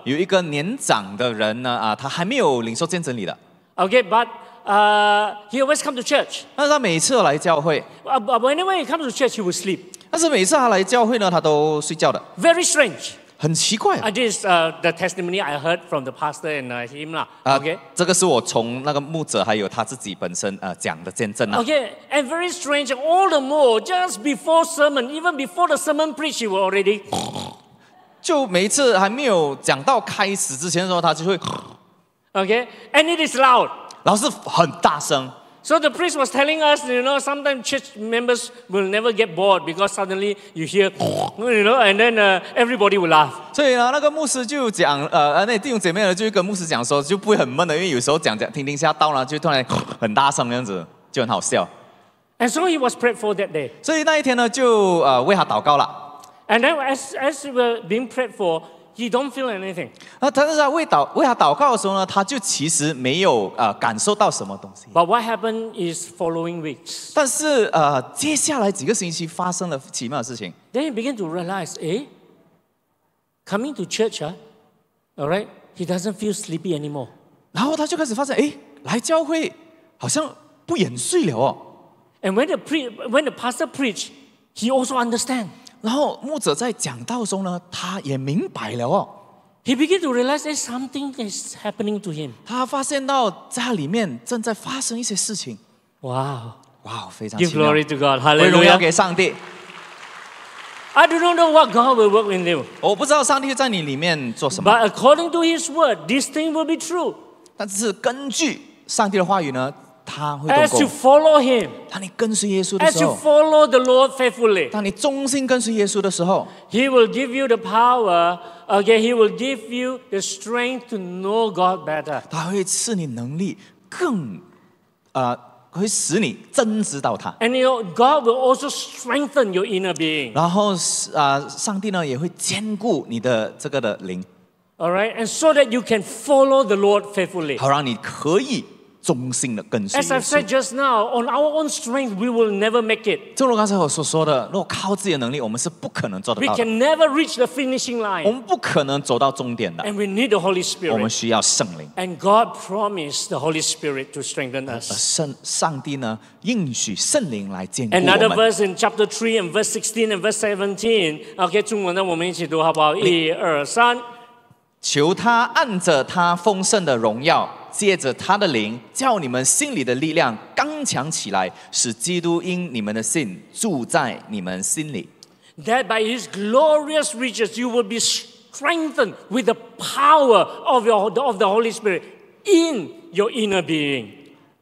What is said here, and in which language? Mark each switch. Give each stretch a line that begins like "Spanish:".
Chinese: 有一个年长的人呢啊，他还没有领受见证礼的。
English: Okay, but he always come to church.
Chinese: 但是他每次来教会。
English: Whenever he comes to church, he will sleep.
Chinese: 但是每次他来教会呢，他都睡觉的。
English: Very strange.
Chinese: 很奇怪、啊。
English: This is the testimony I heard from the pastor and him lah. Okay.
Chinese: 这个是我从那个牧者还有他自己本身讲的见证啦。
English: Okay, and very strange. All the more, just before sermon, even before the sermon preach, he was already.
Chinese: 就每一次还没有讲到开始之前的时候，他就会。
English: Okay, and it is loud.
Chinese: 然后是很大声。
English: So the priest was telling us, you know, sometimes church members will never get bored because suddenly you hear, you know, and then everybody will laugh.
Chinese: 所以呢，那个牧师就讲，那弟兄姐妹呢，就跟牧师讲说，就不会很闷的，因为有时候讲听听下到了，就突然很大声这样子，就很好笑。
English: And so he was prayed for that day.
Chinese: 所以那一天呢，就为他祷告了。
English: And then as we were being prayed for, He don't feel anything.
Chinese: 但是他为祷告的时候呢，他就其实没有感受到什么东西。
English: But what happened is following weeks.
Chinese: 但是接下来几个星期发生了奇妙的事情。
English: Then he began to realize, coming to church, he doesn't feel sleepy anymore.
Chinese: 然后他就开始发现, 来教会好像不掩睡了哦。
English: And when the pastor preached, he also understand.
Chinese: 然后牧者在讲道中呢，他也明白了哦。
English: He began to realize that something is happening to him.
Chinese: 他发现到家里面正在发生一些事情。
English: Wow.
Chinese: Wow, 非常奇妙。
English: Give glory to God. Hallelujah.
Chinese: 归荣耀给上帝。
English: I do not know what God will work in you.
Chinese: 我不知道上帝在你里面做什么。
English: But according to His word, this thing will be true.
Chinese: 但是根据上帝的话语呢，
English: As you follow Him,
Chinese: 当你跟随耶稣的时候,
English: as you follow the Lord faithfully,
Chinese: 当你忠心跟随耶稣的时候,
English: He will give you the power, He will give you the strength to know God better.
Chinese: 他会赐你能力, 更, 会使你真知道他。
English: And God will also strengthen your inner being.
Chinese: 然后, 上帝呢, 也会坚固你的这个的灵。
English: All right? And so that you can follow the Lord faithfully.
Chinese: 好让你可以
English: As I've said just now, on our own strength, we will never make it.
Chinese: 正如刚才我所说的，如果靠自己的能力，我们是不可能做得到的。
English: We can never reach the finishing line.
Chinese: 我们不可能走到终点的。
English: And we need the Holy Spirit.
Chinese: 我们需要圣灵。
English: And God promised the Holy Spirit to strengthen us.
Chinese: 上帝呢，应许圣灵来坚固我们。
English: Another verse in chapter 3 and verse 16 and verse 17.
Chinese: Okay, 中文呢，我们一起读好不好？ 1, 2, 3. 求他按着他丰盛的荣耀。借着他的灵，叫你们心里的力量刚强起来，使基督因你们的信住在你们心里。
English: That by His glorious riches you will be strengthened with the power of the Holy Spirit in your inner being.